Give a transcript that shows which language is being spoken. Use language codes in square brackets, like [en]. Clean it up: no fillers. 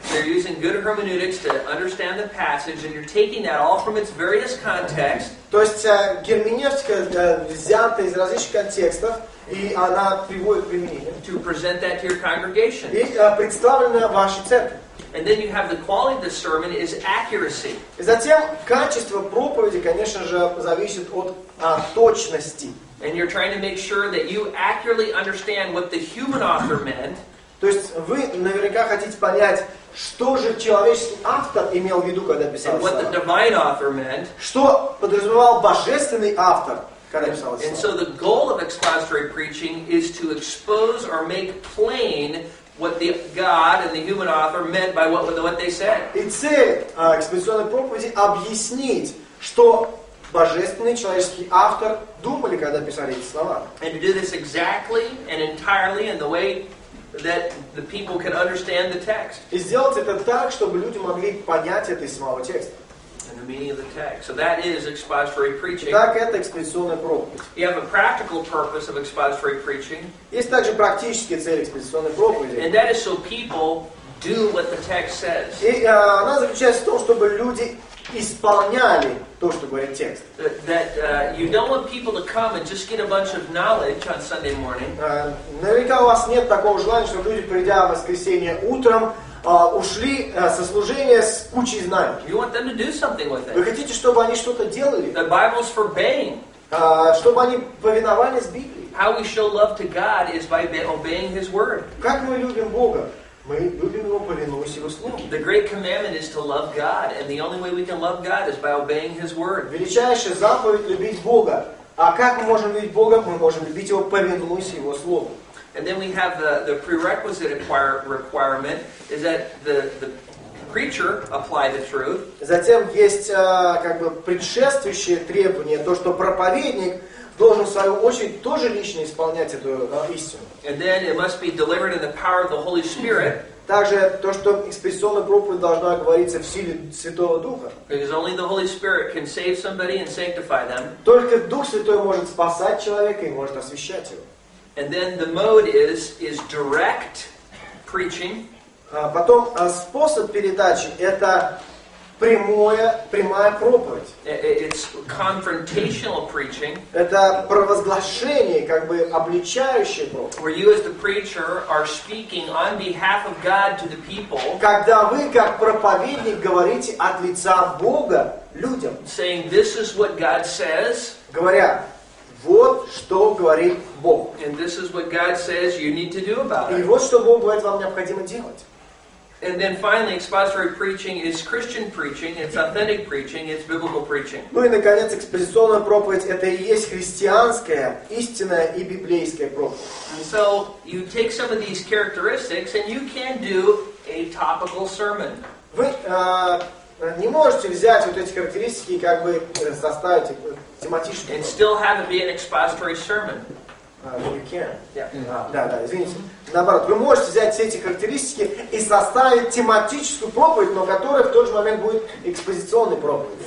[en] You're using good hermeneutics to understand the passage, and you're taking that all from its various contexts. [ru] То есть герменевтика взята из различных контекстов. И она приводит к применению. [en] To present that to your congregation. [ru] И представлена вашей церкви. [en] And then you have the quality of the sermon is accuracy. [ru] И затем качество проповеди, конечно же, зависит от точности. [en] And you're trying to make sure that you accurately understand what the human author meant. [ru] То есть вы наверняка хотите понять, что же человеческий автор имел в виду, когда писал. [en] And what the divine author meant. [ru] Что подразумевал божественный автор. [en] And so the goal of expository preaching is to expose or make plain what the God and the human author meant by what they said. [ru] И цель экспозиционной проповеди – объяснить, что божественный человеческий автор думали, когда писали эти слова. [en] And to do this exactly and entirely in the way that the people can understand the text. [ru] И сделать это так, чтобы люди могли понять это из самого текста. [en] And the meaning of the text. So that is expository preaching. [ru] Так это экспозиционная проповедь. [en] You have a practical purpose of expository preaching. [ru] Есть также практическая цель экспозиционной проповеди. [en] And that is so people do what the text says. [ru] И она заключается в том, чтобы люди исполняли то, что говорит текст. [en] That you don't want people to come and just get a bunch of knowledge on Sunday morning. [ru] Наверняка у вас нет такого желания, чтобы люди, придя в воскресенье утром, ушли со служения с кучей знаний. [en] You want them to do something with it. [ru] Вы хотите, чтобы они что-то делали? [en] The Bible's for obeying. [ru] Чтобы они повиновались Библии. [en] How we show love to God is by obeying His word. [ru] Как мы любим Бога? Мы любим Его, повинуясь Его Слову. [en] The great commandment is to love God, and the only way we can love God is by obeying His word. [ru] Величайшая заповедь – любить Бога. А как мы можем любить Бога? Мы можем любить Его, повинуясь Его Слову. [en] And then we have the prerequisite requirement is that the preacher apply the truth. [ru] Затем есть как бы предшествующее требование, то что проповедник должен в свою очередь тоже лично исполнять эту истину. [en] And then it must be delivered in the power of the Holy Spirit. [ru] Также то, что экспозиционная проповедь должна говориться в силе Святого Духа. [en] Because only the Holy Spirit can save somebody and sanctify them. [ru] Только Дух Святой может спасать человека и может освящать его. [en] And then the mode is direct preaching. [ru] Потом способ передачи это прямая проповедь. [en] It's confrontational preaching. [ru] Это провозглашение, как бы обличающее проповедь. [en] Where you as the preacher are speaking on behalf of God to the people. [ru] Когда вы как проповедник говорите от лица Бога людям. [en] Saying this is what God says. [ru] Говоря вот что говорит Бог. [en] And this is what God says you need to do about it. [ru] И вот что Бог говорит вам необходимо делать. [en] And then finally, expository preaching is Christian preaching. It's authentic preaching. It's biblical preaching. [ru] Ну и наконец, экспозиционная проповедь это и есть христианская, истинная и библейская проповедь. [en] And so you take some of these characteristics and you can do a topical sermon. [ru] Вы не можете взять вот эти характеристики и как бы составить их. [en] And still have it be an expository sermon. You can. Yeah. [ru] Mm-hmm. Извините. Наоборот, вы можете взять все эти характеристики и составить тематическую проповедь, но которая в тот же момент будет экспозиционной проповедью.